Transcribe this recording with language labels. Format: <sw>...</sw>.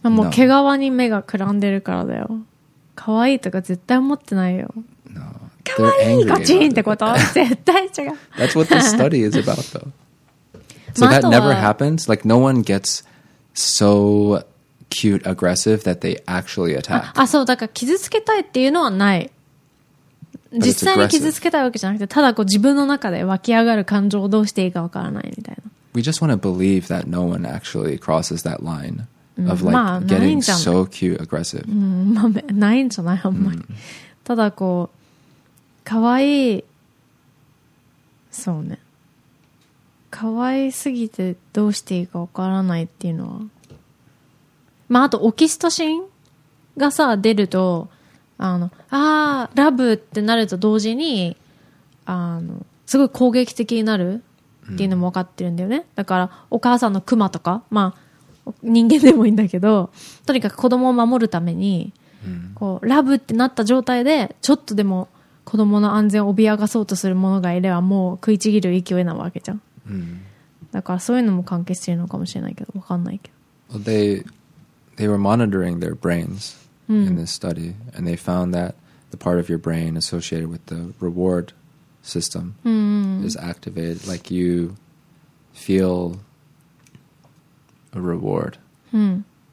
<ja>もう毛皮に目がくらんでるからだよ。可愛いとか絶対思ってないよ。可愛いガチンってこと絶対違う。</ja> <en>That's what the study is about though. So that never happens? Like no one gets so cute aggressive that they actually attack.</en> <ja>あ、そう、だから傷つけたいっていうのはない。実際に傷つけたいわけじゃなくて、ただこう自分の中で湧き上がる感情をどうしていいかわからないみたいな。</ja> <en>We just want to believe that no one actually crosses that line of like getting so cute aggressive.</en> <ja>ないんじゃない、あんまり。ただこう、かわいい。そうね、かわいすぎてどうしていいかわからないっていうのは、まああとオキシトシンがさ出ると、あのあーラブってなると同時にあのすごい攻撃的になるっていうのも分かってるんだよね、うん、だからお母さんのクマとか、まあ人間でもいいんだけど、とにかく子供を守るために、うん、こうラブってなった状態でちょっとでも子供の安全を脅かそうとする者がいればもう食いちぎる勢いなわけじゃん、うん、だからそういうのも関係してるのかもしれないけど、分かんないけど、</ja> <en>they were monitoring their brains in this study、うん、and they found that the part of your brain associated with the rewardsystem、うん、 is activated, like you feel a reward、うん、</en>